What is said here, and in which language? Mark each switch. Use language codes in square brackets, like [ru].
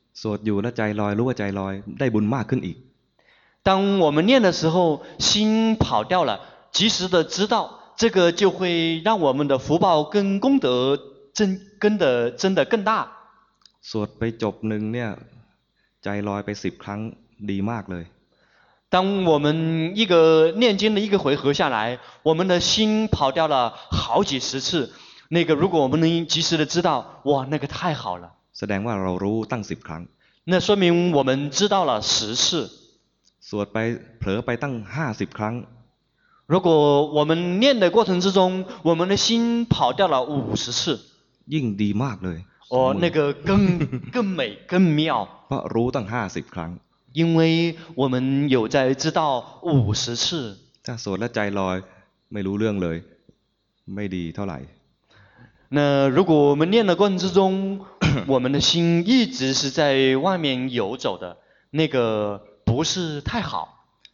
[th] สวดอยู่แล้วใจลอยรู้ว่าใจลอยได้บุญมากขึ้นอีก [zh] 当我们念的时候心跑掉了及时的知道这个就会让我们的福报跟功德真的更大 [th] สวดไปจบหนึ่งเนี่ยใจลอยไปสิบครั้งดีมากเลย [zh] 当我们一个念经的一个回合下来我们的心跑掉了好几十次那个如果我们能及时的知道哇那个太好了 [th] แสดงว่าเรารู้ตั้งสิบครั้ง [zh] 那说明我们知道了十次 [th] สวดไปเผลอไปตั้งห้าสิบครั้ง [zh] 如果我们念的过程之中我们的心跑掉了五十次 [th] ยิ่งดีมากเลย [zh] 哦那个更美更妙 [th] เพราะรู้ตั้งห้าสิบครั้ง [zh] 因为我们有在知道五十次 [th] ถ้าสวดแล้วใจลอยไม่รู้เรื่องเลยไม่ดีเท่าไหร่ [zh] 那如果我们念的过程之中我们的心一直是在外面游走的那个不是太好